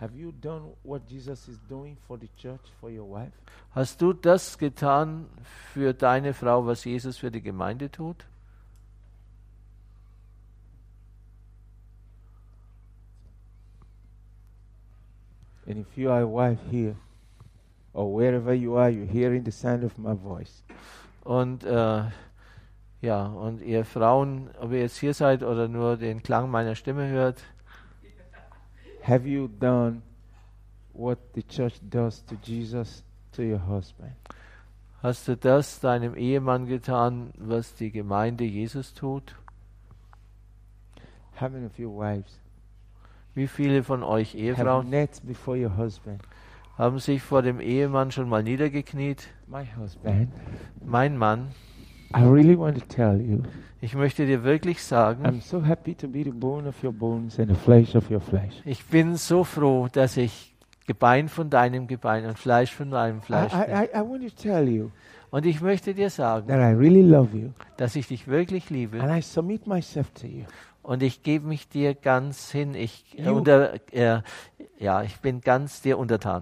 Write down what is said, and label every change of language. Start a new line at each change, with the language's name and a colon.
English: Have you done what Jesus is doing for the church, for your wife?
German: Hast du das getan für deine Frau, was Jesus für die Gemeinde tut?
English: And if you are a wife here, or wherever you are, you're hearing the sound of my voice.
German: Und ja, und ihr Frauen, ob ihr jetzt hier seid oder nur den Klang meiner Stimme hört.
English: Have you done what the church does to Jesus, to your husband?
German: Hast du das deinem Ehemann getan, was die Gemeinde Jesus tut?
English: How many of your wives?
German: Wie viele von euch Ehefrauen
English: have knelt before your husband?
German: Haben sich vor dem Ehemann schon mal niedergekniet?
English: My husband.
German: Mein Mann.
English: I really want to tell you.
German: Ich möchte dir wirklich sagen.
English: I'm so happy to be the bone of your bones and the flesh of your flesh.
German: Ich bin so froh, dass ich Gebein von deinem Gebein und Fleisch von deinem Fleisch bin.
English: I want to tell you.
German: Und ich möchte dir sagen,
English: that I really love you.
German: Dass ich dich wirklich liebe.
English: And I submit myself to you.
German: Und ich gebe mich dir ganz hin. Ich bin ganz dir untertan.